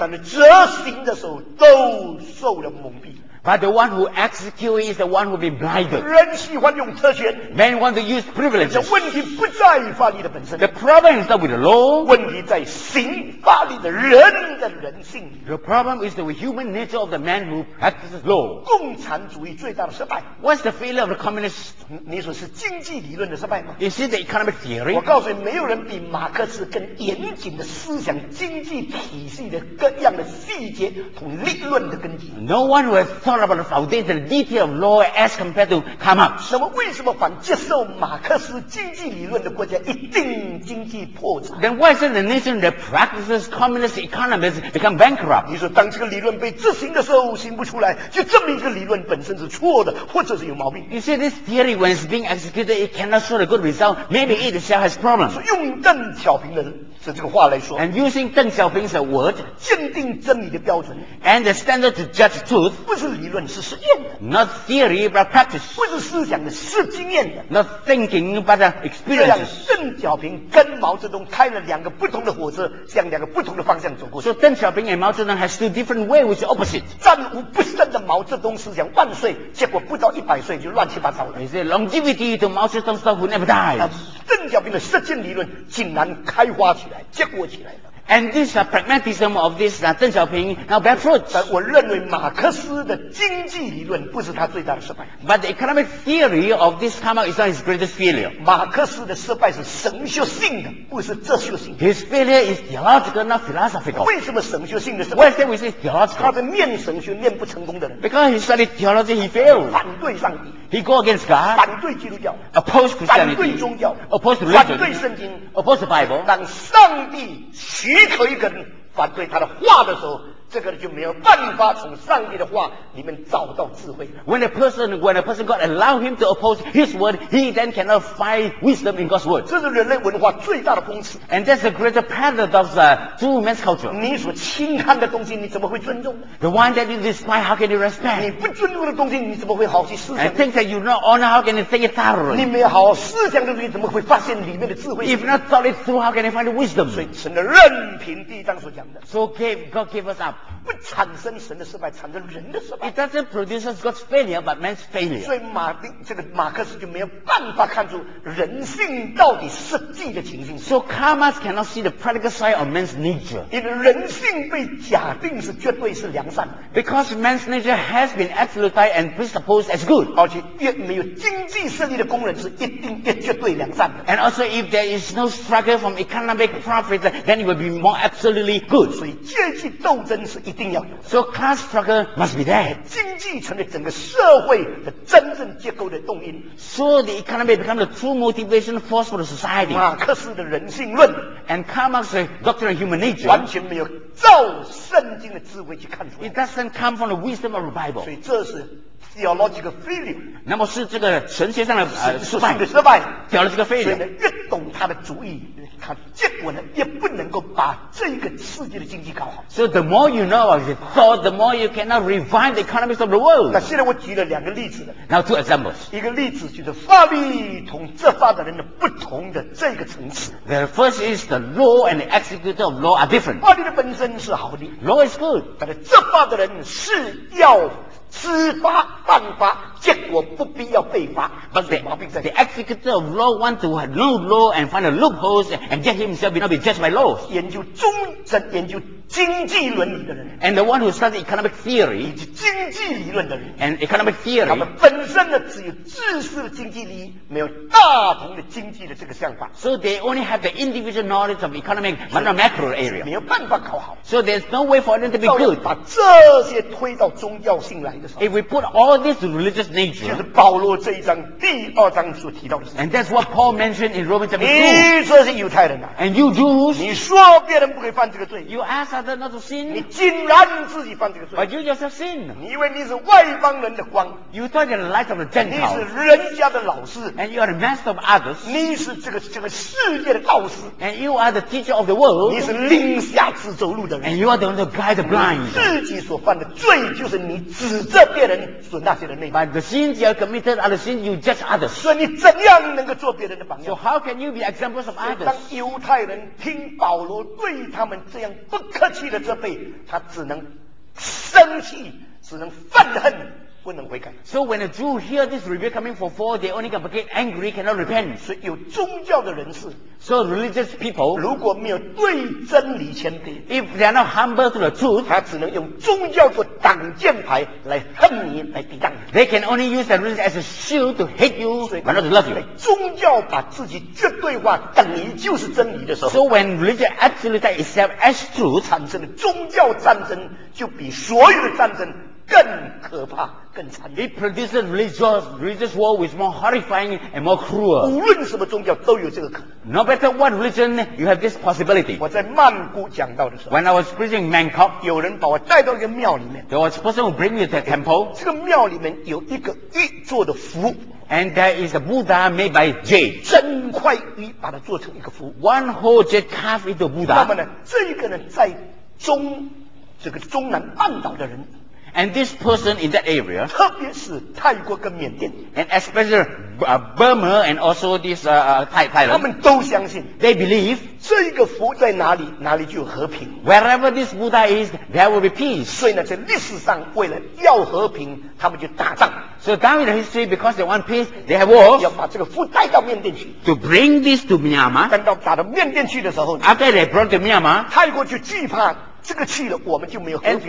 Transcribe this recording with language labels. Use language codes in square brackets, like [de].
[zh] 但是执行的时候都受了蒙蔽。 [en] But the one who execute is the one who be blinded. [zh] 人喜欢用特权。 [en] Men want to use privileges. [zh] 问题不在于法律的本身。 [en] The problem is not with the law. [zh] 问题在行法律的人的人性。 [en] The problem is the human nature of the man who practices law. [zh] 共产主义最大的失败。 [en] What's the failure of the communists? [zh] 你说是经济理论的失败吗？ [en] Is it the economic theory? [zh] 我告诉你，没有人比马克思更严谨的思想经济体系的各样的细节同理论的根基。 [en] No one who has thought about the foundation, the detail of law as compared to Karl Marx. [zh] 什么？为什么反接受马克思经济理论的国家一定经济破产？ [en] Then why isn't the nation that practices communist economies become bankrupt? [zh] 你说当这个理论被执行的时候行不出来，就证明这个理论本身是错的，或者是有毛病。 [en] You see, this theory when it's being executed, it cannot show a good result. Maybe it itself has problems. [zh] 用邓小平的这个话来说 [en] ，And using [zh] 邓小平的 [en] word， [zh] 鉴定真理的标准 [en] ，And the standard to judge truth， [zh] 不是理论，是实验的 [en] ，Not theory but practice， [zh] 不是思想的，是经验的 [en] ，Not thinking but experience。 [zh] 这样，邓小平跟毛泽东开了两个不同的火车，向两个不同的方向走过去。 [en] So 邓小平 and 毛泽东 has two different ways which are opposite。 [zh] 战无不胜的毛泽东思想万岁，结果不到一百岁就乱七八糟了。 [en] Is it longevity to 毛泽东 stuff will never die？ [zh] 邓小平的实践理论竟然开花起来。结果起来了 [en] And this pragmatism of this 邓小平 now bear fruits. [zh] 但我认为马克思的经济理论不是他最大的失败。 [en] But the economic theory of this Karl Marx is not his greatest failure. [zh] 马克思的失败是神学性的，不是哲学性的。 [en] His failure is theological, not philosophical. [zh] 为什么神学性的失败？ [en] Why is it theological? [zh] 他是念神学念不成功的人。 [en] Because he studied theology, he failed. [zh] 反对上帝。 [en] He go against God, [zh] 反对基督教 [en] oppose Christianity, [zh] 反对宗教 [en] oppose religion, [zh] 反对圣经 [en] oppose the Bible. [zh] 当上帝许可一个人反对他的话的时候，这个人就没有办法从上帝的话里面找到智慧。 [en] When a person God allow him to oppose his word, he then cannot find wisdom in God's word. [zh] 这是人类文化最大的讽刺。 [en] And that's the greatest paradox of to man's culture. [zh] 你所轻看的东西你怎么会尊重？ [en] The one that you despise, how can you respect? [zh] 你不尊重的东西你怎么会好去思想？ [en] And things that you not honor, how can you think it thoroughly? [zh] 你没有好好思想的东西怎么会发现里面的智慧？ [en] If not thought it through, how can you find the wisdom? [zh] 所以神的任凭第一章所讲的。 [en] So God gave us up [zh] 不产生神的失败，产生人的失败。 [en] It doesn't produce God's failure, but man's failure. [zh] 所以马克思就没有办法看出人性到底实际的情形。 [en] So Karl Marx cannot see the practical side of man's nature. [zh] 因为人性被假定是绝对是良善。 [en] Because man's nature has been absolutized and presupposed as good. [zh] 而且越没有经济实力的工人是一定越绝对良善的。 [en] And also, if there is no struggle from economic profit, then it will be more absolutely good. [zh] 所以阶级斗争是。一定要有 [en] So class struggle must be there. [zh] 经济成了整个社会的真正结构的动因。 [en] So the economy becomes the true motivation force for the society. [zh] 马克思的人性论 [en] and Karl Marx's doctrine of human nature [zh] 完全没有照圣经的智慧去看出来。 [en] It doesn't come from the wisdom of the Bible. [zh] 所以这是 [en] theological failure. [zh] 那么是这个神学上的失败。失败 [en] theological failure. [zh] 所以呢，越懂他的主意。他结果呢也不能够把这个世界的经济搞好。 [en] So the more you know of your thought, the more you cannot revive the economies of the world. [zh] 那现在我举了两个例子了。 [en] Now two examples. [zh] 一个例子就是法律同执法的人的不同的这个层次。 [en] The first is the law and the executor of law are different. [zh] 法律的本身是好的。 [en] Law is good. [zh] 但是执法的人是要知法犯法，结果不必要被罚。 [en] But the executor of law want to know law and find a loopholes and get himself not be judged by laws. [zh] 研究忠诚、研究经济伦理的人 [en] ，and the one who studies economic theory， [zh] 以及经济理论的人 [en] ，and economic theory， [zh] 他们本身呢只有自私的经济利益，没有大同的经济的这个想法。 [en] So they only have the individual knowledge of economic but not macro area， [zh] 没有办法考好。 [en] So there's no way for them to be good。 [zh] 把这些推到宗教性来的时候 [en] ，if we put all this religious nature， [zh] 就是保罗这一章第二章所提到的事。 [en] And that's what Paul mentioned in Romans chapter 2。 [zh] 你这是犹太人啊 [en] ，and you Jews， [zh] 你说别人不可以犯这个罪 [en] ，you ask。 Not to sin, [zh] 你竟然自己犯这个罪 [en] ，But you yourself sin. [zh] 你以为你是外邦人的光 [en] ，You thought you're the light of the Gentiles. [zh] 你是人家的老师 [en] ，And you are the master of others. [zh] 你是这个世界的导师 [en] ，And you are the teacher of the world. [zh] 你是领瞎子走路的人 [en] ，And you are the one to guide the blind. [zh] 自己所犯的罪就是你指责别人所那些的内容 [en] ，But the sins you committed are the sins you judge others. [zh] 所以你怎样能够做别人的榜样 [en] ？So how can you be examples of others？ [zh] 当犹太人听保罗对他们这样不可气的这辈，他只能生气，只能愤恨，不能悔改。 [en] So when a Jew hear this rebuke coming from Paul, they only can get angry, cannot repent. [zh] 所以有宗教的人士 [en] ，So religious people， [zh] 如果没有对真理谦卑 [en] ，If they are not humble to the truth， [zh] 他只能用宗教做挡箭牌来恨你，来抵挡你。 [en] They can only use their religion as a shield to hate you, but not to love you. [zh] 宗教把自己绝对化，等于就是真理的时候 [en] ，So when religion absolutely itself as truth， [zh] 产生的宗教战争就比所有的战争更可怕。 [en] It produces religious war which is more horrifying and more cruel. [zh] 无论什么宗教都有这个可能。 [en] No matter what religion, you have this possibility. [zh] 我在曼谷讲到的时候 [en] ，When I was preaching Bangkok, [zh] 有人把我带到一个庙里面。 [en] There was a person who bring me to the temple. [zh] 这个庙里面有一个玉做的符。 [en] And there is a Buddha made by jade. [zh] 整块玉把它做成一个符。 [en] One whole jade carved into Buddha. [zh] 那么呢，这一个呢，在中南半岛的人。 [en] And this person in that area, [zh] 特别是泰国跟缅甸 [en] and especially Burma and also this Thailand, [zh] 他们都相信 [en] they believe, [zh] 这一个佛在哪里，哪里就有和平 [en] wherever this Buddha is, there will be peace. [zh] 所以呢，在历史上为了要和平，他们就打仗 [en] So down in the history, because they want peace, they have wars. [zh] 要把这个佛带到缅甸去 [en] to bring this to Myanmar. [zh] 等到打到缅甸去的时候 [en] after they brought to Myanmar, [zh] 泰国就惧怕。这个去了，我们就没有和平。